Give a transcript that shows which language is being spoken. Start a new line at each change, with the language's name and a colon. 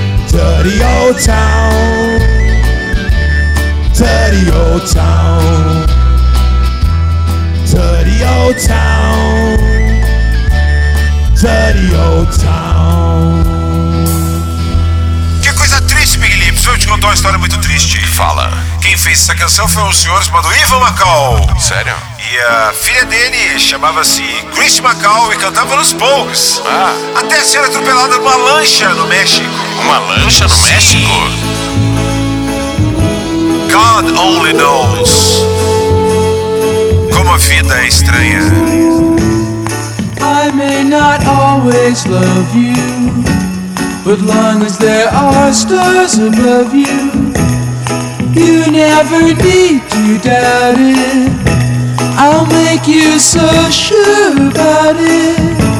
English: Dirty old town, dirty old town, dirty old town, dirty old town.
Portuguese: Que coisa triste, Big Lips. Eu te conto uma história muito triste. Fala. Quem fez essa canção foi um senhor chamado Ivan Macau. Sério? E a filha dele chamava-se Chris Macau e cantava nos Pogues. Ah. Até ser atropelada numa lancha no México. Uma lancha no México?
English: God only knows
Portuguese: como a vida é estranha.
English: I may not always love you, but long as there are stars above you, you never need to doubt it. I'll make you so sure about it.